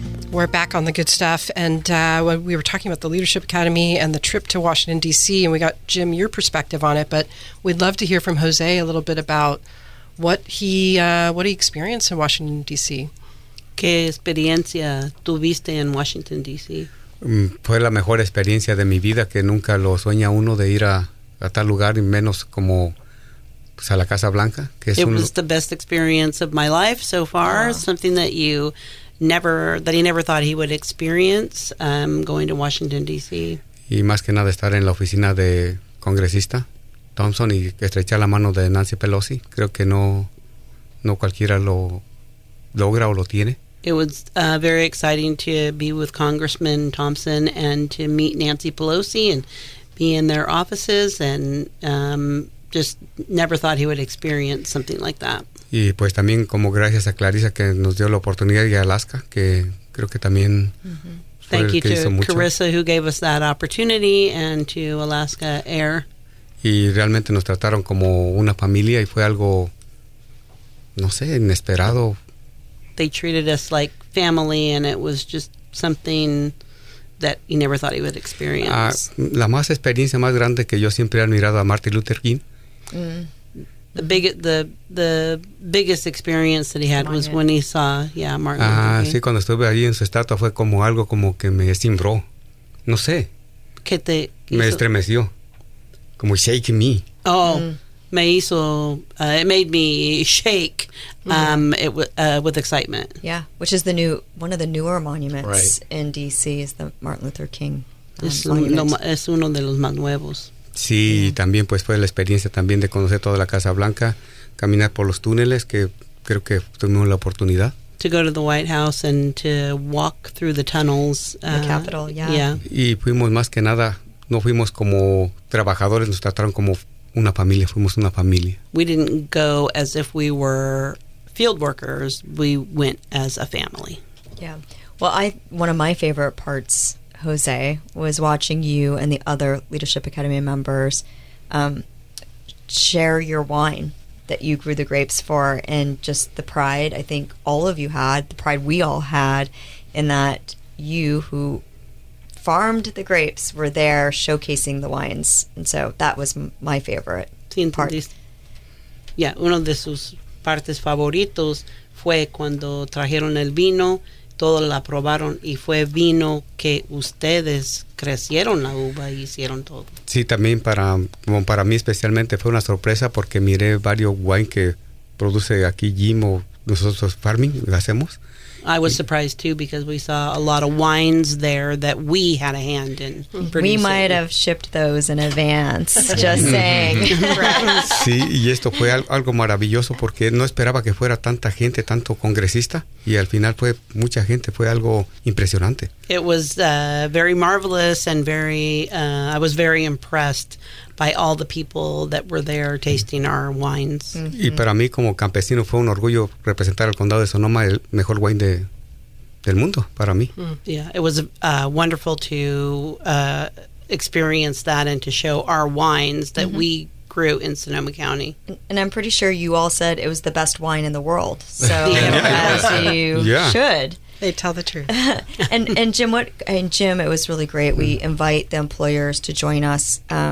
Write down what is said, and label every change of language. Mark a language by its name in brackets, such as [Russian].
[English] We're back on the good stuff, and we were talking about the Leadership Academy and the trip to Washington, D.C., and we got, Jim, your perspective on it, but we'd love to hear from Jose a little bit about what he experienced in Washington, D.C. [Spanish] ¿Qué experiencia tuviste en Washington, D.C.? Fue la mejor experiencia de mi vida, que nunca lo sueña uno de ir a tal lugar, y menos como a la Casa Blanca. Que es [English] It was the best experience of my life so far, something that you... never thought he would experience going to Washington, D.C. [Spanish] Y más que nada estar en la oficina de congresista Thompson y estrechar la mano de Nancy Pelosi. Creo que no cualquiera lo logra o lo tiene. [English] It was very exciting to be with Congressman Thompson and to meet Nancy Pelosi and be in their offices and just never thought he would experience something like that. [Spanish] Y pues también como gracias a Clarissa que nos dio la oportunidad y a Alaska, que creo que también [English] Thank [Spanish] fue el [English] you [Spanish] que hizo [English] Carissa, [Spanish] mucho. [English] Carissa, who gave us that opportunity, and to Alaska Air. [Spanish] Y realmente nos trataron como una familia y fue algo, no sé, inesperado. [English] They treated us like family and it was just something that you never thought you would experience. [Spanish] La más experiencia más grande que yo siempre he admirado a Martin Luther King. [English] The biggest experience that he had was when he saw Martin Luther King. [Spanish] Sí, cuando estuve allí en su estatua fue como algo como que me cimbró. No sé. ¿Qué te hizo? Me estremeció. Como [English] shake me. Oh, [Spanish] me hizo, [English] it made me shake with excitement. Yeah, which is one of the newer monuments in D.C. is the Martin Luther King [Spanish] Es uno de los más nuevos. Sí, también pues fue la experiencia también de conocer toda la Casa Blanca, caminar por los túneles que creo que tuvimos la oportunidad. [English] To go to the White House and to walk through the tunnels. The Capitol, [Spanish] Y fuimos más que nada, no fuimos como trabajadores, nos trataron como una familia, fuimos una familia. [English] We didn't go as if we were field workers, we went as a family. Yeah, well, one of my favorite parts, Jose, was watching you and the other Leadership Academy members share your wine that you grew the grapes for, and just the pride I think all of you had, the pride we all had in that you who farmed the grapes were there showcasing the wines. And so that was my favorite part. [Spanish] Uno de sus partes favoritos fue cuando trajeron el vino. Todos la probaron y fue vino que ustedes crecieron la uva y hicieron todo. Sí, también para mí especialmente fue una sorpresa porque miré varios wine que produce aquí Jim o nosotros farming, lo hacemos. [English] I was surprised too because we saw a lot of wines there that we had a hand in producing. We might have shipped those in advance, just saying. Sí, y esto fue algo maravilloso porque no esperaba que fuera tanta gente, tanto congresista, y al final fue mucha gente, fue algo impresionante. It was very marvelous and very, I was very impressed by all the people that were there tasting our wines. Mm-hmm. [Spanish] Y para mí como campesino fue un orgullo representar al condado de Sonoma, el mejor wine del mundo para mí. [English] Yeah, it was wonderful to experience that and to show our wines that mm-hmm. we grew in Sonoma County. And I'm pretty sure you all said it was the best wine in the world. So as you yeah. should. They tell the truth. and Jim, it was really great. We invite the employers to join us.